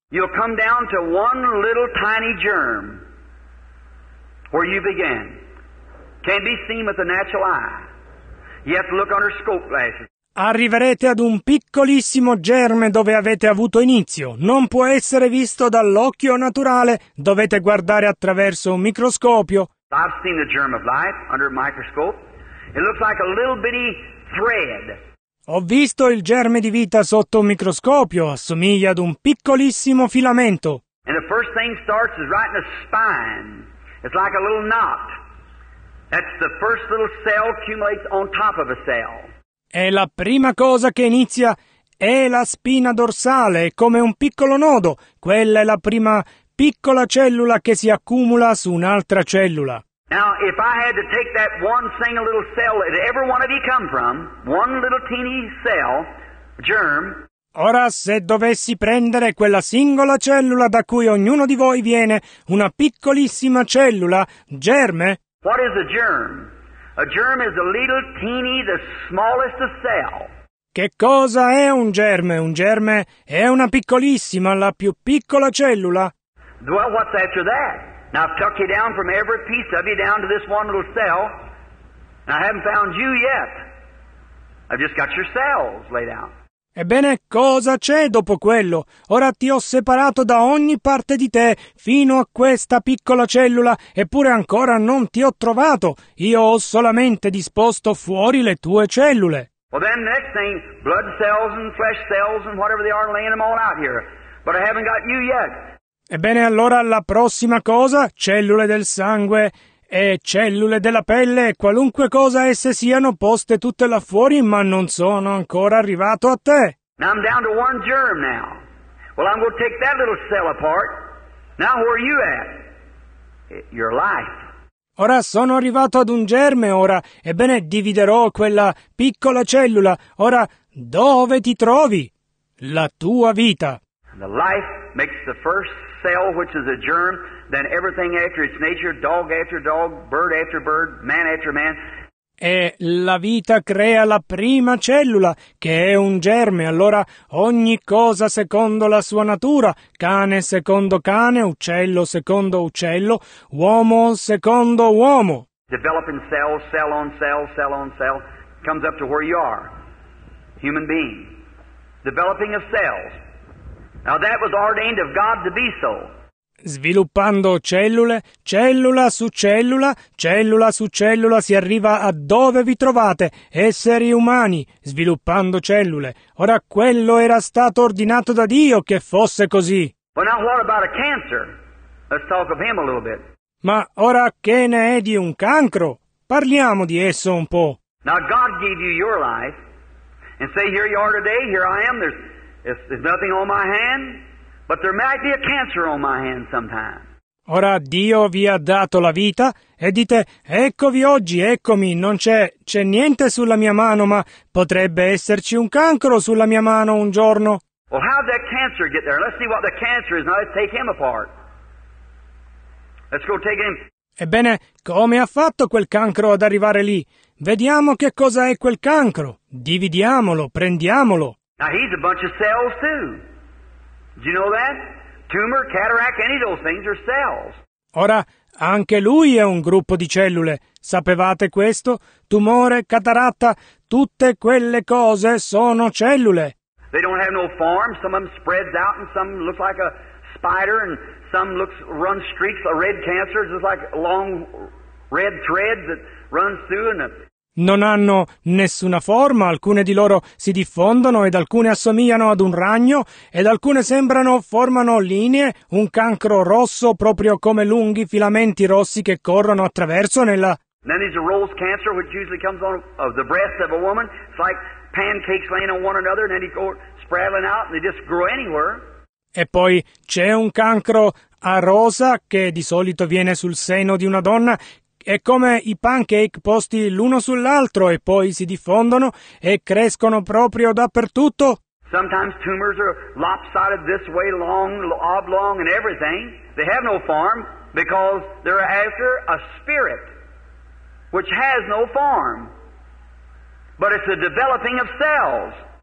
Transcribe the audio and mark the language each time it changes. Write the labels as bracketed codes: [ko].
[en] You'll come down to one little tiny germ where you began. Can't be seen with the natural eye. You have to look under scope glasses. [it] Arriverete ad un piccolissimo germe dove avete avuto inizio. Non può essere visto dall'occhio naturale. Dovete guardare attraverso un microscopio. [en] I've seen the germ of life under a microscope. It looks like a little bitty thread. [it] Ho visto il germe di vita sotto un microscopio. Assomiglia ad un piccolissimo filamento. [en] And the first thing starts is right in the spine. It's like a little knot. That's the first little cell accumulates on top of a cell. [it] E la prima cosa che inizia è la spina dorsale, come un piccolo nodo. Quella è la prima piccola cellula che si accumula su un'altra cellula. [en] Now, if I had to take that one single little cell that every one of you come from, one little teeny cell, germ. [it] Ora, se dovessi prendere quella singola cellula da cui ognuno di voi viene, una piccolissima cellula, germe. [en] What is a germ? A germ is a little teeny, the smallest of cell. [it] Che cosa è un germe? Un germe è una piccolissima, la più piccola cellula. [en] Well, what's after that? Now I've tucked you down from every piece of you down to this one little cell. And I haven't found you yet. I've just got your cells laid out. [it] Ebbene, cosa c'è dopo quello? Ora ti ho separato da ogni parte di te fino a questa piccola cellula, eppure ancora non ti ho trovato. Io ho solamente disposto fuori le tue cellule. [en] Well then, next thing, blood cells and flesh cells and whatever they are, laying them all out here. But I haven't got you yet. [it] Ebbene, allora la prossima cosa, cellule del sangue e cellule della pelle, qualunque cosa esse siano, poste tutte là fuori, ma non sono ancora arrivato a te. [en] Now I'm down to one germ now. Well, I'm going to take that little cell apart. Now where are you at? Your life. [it] Ora sono arrivato ad un germe, ora. Ebbene, dividerò quella piccola cellula. Ora, dove ti trovi? La tua vita. [en] The life makes the first cell, which is a germ, then everything after its nature, dog after dog, bird after bird, man after man. [it] E la vita crea la prima cellula, che è un germe. Allora ogni cosa secondo la sua natura, cane secondo cane, uccello secondo uccello, uomo secondo uomo. [en] Developing cells, cell on cell, cell on cell, comes up to where you are, human being. Developing of cells. Now that was ordained of God to be so. [it] Sviluppando cellule, cellula su cellula si arriva a dove vi trovate, esseri umani, sviluppando cellule. Ora quello era stato ordinato da Dio che fosse così. [en] But now what about a cancer? Let's talk of him a little bit. [it] Ma ora che ne è di un cancro? Parliamo di esso un po'. [en] Now God gave you your life and say here you are today, here I am, there's nothing on my hand. But there might be a cancer on my hand sometime. [it] Ora Dio vi ha dato la vita e dite eccovi oggi, eccomi, non c'è niente sulla mia mano, ma potrebbe esserci un cancro sulla mia mano un giorno. [en] Well, how'd that cancer get there? Let's see what the cancer is. Now let's take him apart. Let's go take him. [it] Ebbene, come ha fatto quel cancro ad arrivare lì? Vediamo che cosa è quel cancro. Dividiamolo, prendiamolo. [en] Now, he's a bunch of cells, too. Do you know that? Tumor, cataract, any of those things are cells. [it] Ora, anche lui è un gruppo di cellule. Sapevate questo? Tumore, cataratta, tutte quelle cose sono cellule. [en] They don't have no form. Some of them spreads out and some look like a spider and some looks run streaks of red cancer. It's just like long red threads that runs through and... [it] Non hanno nessuna forma, alcune di loro si diffondono ed alcune assomigliano ad un ragno ed alcune sembrano formano linee, un cancro rosso proprio come lunghi filamenti rossi che corrono attraverso nella... [en] Then there's a rose cancer which usually comes on the breast of a woman. It's like pancakes laying on one another and then they go spraddling out and they just grow anywhere. [it] E poi c'è un cancro a rosa che di solito viene sul seno di una donna. È come i pancake posti l'uno sull'altro e poi si diffondono e crescono proprio dappertutto. [en] Sometimes tumors are lopsided this way, long, oblong and everything. They have no form because they're after a spirit which has no form. But it's a developing of cells.